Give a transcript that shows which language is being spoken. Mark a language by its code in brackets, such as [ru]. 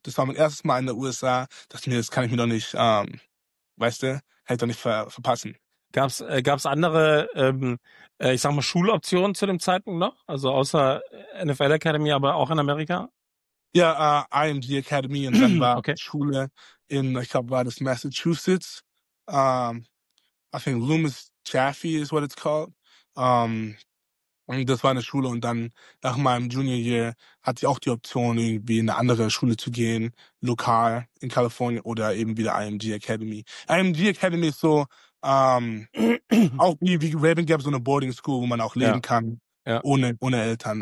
[de] Das war mein erstes Mal in der USA. Das kann ich mir doch nicht, kann ich doch nicht verpassen. Gab's andere, Schuloptionen zu dem Zeitpunkt noch? Also außer NFL Academy, aber auch in Amerika? Ja, IMG Academy, und dann war Schule in, ich glaube, war das Massachusetts. [en] I think Loomis Chaffee is what it's called. [de] Und das war eine Schule, und dann nach meinem Junior Year hatte ich auch die Option, irgendwie in eine andere Schule zu gehen, lokal in Kalifornien oder eben wieder IMG Academy. IMG Academy ist so, auch wie Raven Gap, so eine Boarding School, wo man auch leben kann, ohne Eltern.